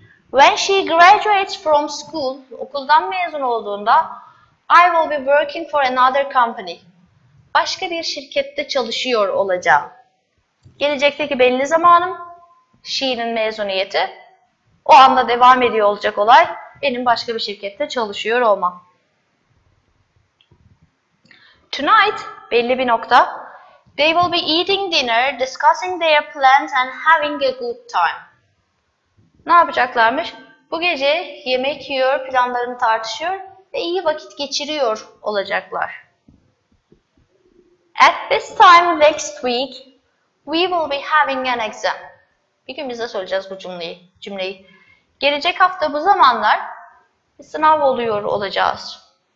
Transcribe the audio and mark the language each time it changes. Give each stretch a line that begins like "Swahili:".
English: When she graduates from school,
Turkish: okuldan mezun olduğunda,
English: I will be working for another company.
Turkish: Başka bir şirkette çalışıyor olacağım. Gelecekteki belli zamanım, she'nin mezuniyeti, o anda devam ediyor olacak olay, benim başka bir şirkette çalışıyor olmam.
English: Tonight,
Turkish: belli bir nokta,
English: they will be eating dinner, discussing their plans and having a good time.
Turkish: Ne yapacaklarmış? Bu gece yemek yiyor, planlarını tartışıyor ve iyi vakit geçiriyor olacaklar.
English: At this time next week, we will be having an exam.
Turkish: Bir gün bize söyleyeceğiz bu cümleyi. Gelecek hafta bu zamanlar bir sınav oluyor olacağız.